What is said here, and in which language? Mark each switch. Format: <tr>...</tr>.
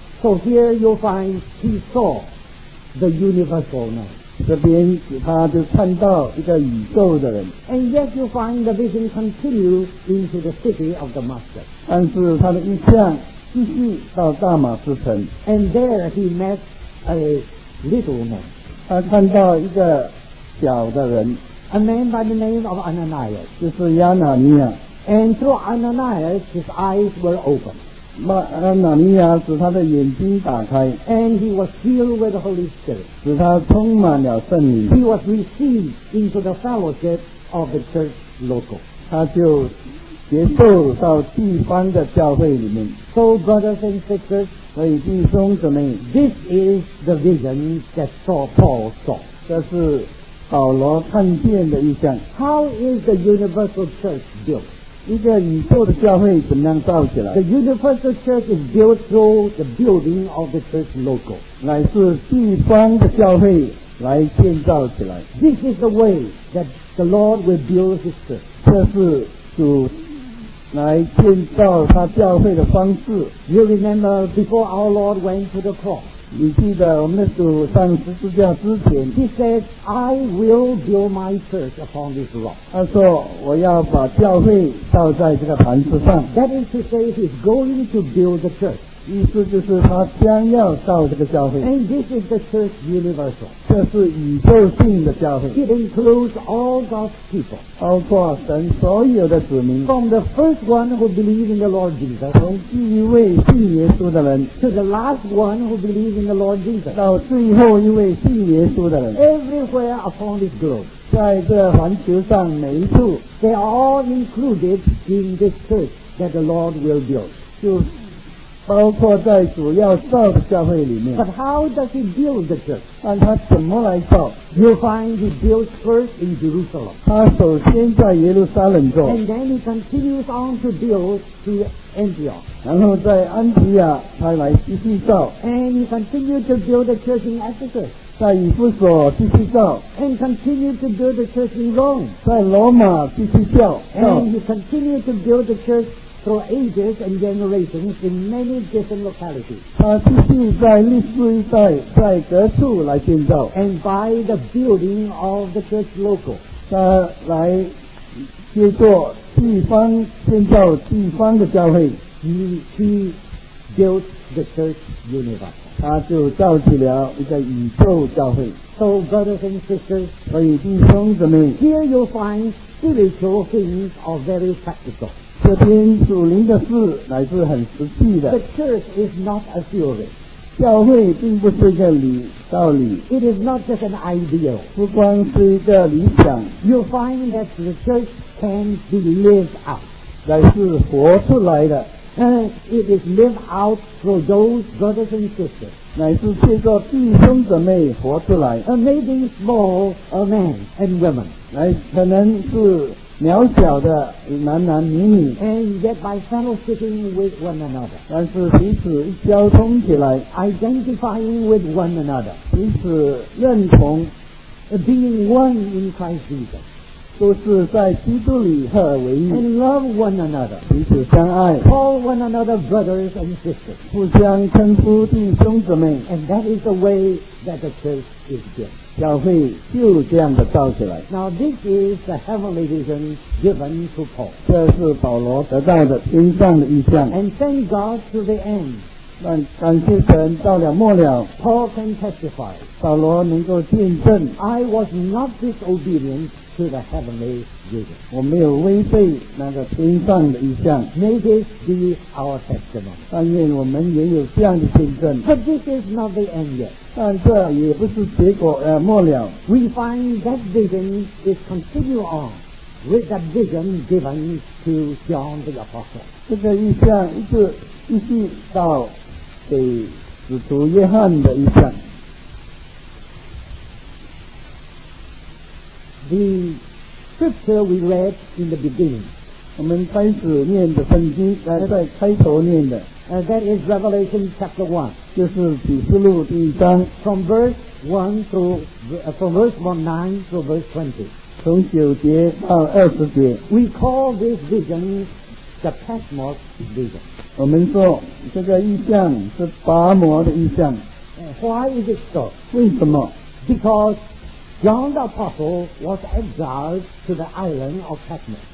<en>So here you find he saw the universal man.</en> <zh>这边他就看到一个宇宙的人。</zh> <en>And yet you find the vision continued into the city of Damascus.</en> <zh>但是他的一项继续到大马士城。</zh> <en>And there he met a little man.</en> <zh>他看到一个小的人</zh> <en>A man by the name of Ananias.</en> <zh>就是亚拿尼亚</zh> <en>And through Ananias, his eyes were open.</en> <zh>亚拿尼亚使他的眼睛打开</zh> <en>And he was filled with the Holy Spirit.</en> <zh>使他充满了圣灵</zh> <en>He was received into the fellowship of the church local.</en> <zh>他就接受到地方的教会里面</zh> <en>So brothers and sisters,</en> <zh>所以弟兄姊妹</zh> <en>This is the vision that Saul Paul saw.</en> <zh>这是保罗看见的意象。</zh> <en>How is the universal church built?</en> <zh>一个宇宙的教会怎样造起来</zh> <en>The universal church is built through the building of the church logo.</en> <zh>乃是地方的教会来建造起来。</zh> <en>This is the way that the Lord will build his church.</en> <zh>这是主来建造他教会的方式</zh> <en>You remember before our Lord went to the cross</en> <zh>你记得我们的主上十字架之前</zh> <en>He said I will build my church upon this rock</en> <zh>他说我要把教会造在这个磐石上</zh> <en>That is to say he's going to build the church</en> <zh>意思就是他将要造这个教会。</zh> <en>And this is the church universal.</en> <zh>这是宇宙性的教会。</zh> <en>It includes all God's people.</en> <zh>包括神所有的子民。</zh> <en>From the first one who believes in the Lord Jesus.</en> <zh>从第一位信耶稣的人。</zh> <en>To the last one who believes in the Lord Jesus.</en> <zh>到最后一位信耶稣的人。</zh> <en>Everywhere upon this globe.</en> <zh>在这环球上每一处</zh> <en>They are all included in this church that the Lord will build</en> <zh>就包括在主要造的教会里面</zh> <en>But how does he build the church?</en> <zh>那他怎么来造</zh> <en>You'll find he builds first in Jerusalem</en> <zh>他首先在耶路撒冷做</zh> <en>And then he continues on to build to Antioch</en> <zh>然后在安提亚他来继续造</zh> <en>And he continues to build the church in Ephesus</en> <zh>在以弗所继续造</zh> <en>and continue to build the church in Rome</en> <zh>在罗马继续造</zh> <en>and he continue to build the church through ages and generations in many different localities</en> <zh>他继续在历史一代在各处来建造</zh> <en>and by the building of the church local</en> <zh>他来接作地方建造地方的教会</zh> <en>he built the church universe</en> <zh>他就造起了一个宇宙教会</zh> <en>So brothers and sisters</en> <zh>所以弟兄姊妹</zh> <en>Here you find spiritual things are very practical</en> <zh>这边属灵的事乃是很实际的</zh> <en>The church is not a theory</en> <zh>教会并不是一个理道理</zh> <en>It is not just an ideal</en> <zh>不光是一个理想</zh> <en>You find that the church can be lived out</en> <zh>乃是活出来的</zh> <en>And it is lived out through those brothers and sisters.</en> <zh>乃是借着弟兄姊妹活出来。</zh> <en>Amazing small men and women.</en> <zh>乃可能是渺小的男男女女。</zh> <en>And yet by fellowshipping with one another.</en> <zh>但是彼此交通起来。</zh> <en>Identifying with one another.</en> <zh>彼此认同。</zh> <en>Being one in Christ Jesus.</en> <zh>都是在基督里合而为一</zh> <en>and love one another</en> <zh>彼此相爱</zh> <en>call one another brothers and sisters</en> <zh>互相称呼弟兄姊妹</zh> <en>and that is the way that the church is built</en> <zh>教会就这样的造起来</zh> <en>now this is the heavenly vision given to Paul</en> <zh>这是保罗得到的天上的意象</zh> <en>and thank God to the end</en> <zh>但感谢神到了末了</zh> <en>Paul can testify</en> <zh>保罗能够见证</zh> <en>I was not disobedientTo the heavenly vision.</en> <zh>我没有违背那个天上的意象。</zh> <en>May this be our testimony.</en> <zh>但愿我们也有这样的见证。</zh> <en>But this is not the end yet.</en> <zh>但这也不是结果，末了。</zh> <en>We find that vision is continue on with the vision given to John the Apostle.</en> <zh>这个意象一直继续到给使徒约翰的意象。</zh> <en>The scripture we read in the beginning.</en> <zh>我们开始念的圣经，在开头念的。</zh> <en>That is Revelation chapter 1.</en> <zh>就是启示录第一章。</zh> <en>From verse 1 through, from verse 9 through verse 20.</en> <zh>从九节到二十节。</zh> <en>We call this vision the Patmos vision.</en> <zh>我们说这个意象是拔摩的意象。</zh> <en>Why is it so?</en> <zh>为什么？</zh> <en>Because John the Apostle was exiled to the island of Patmos.</en>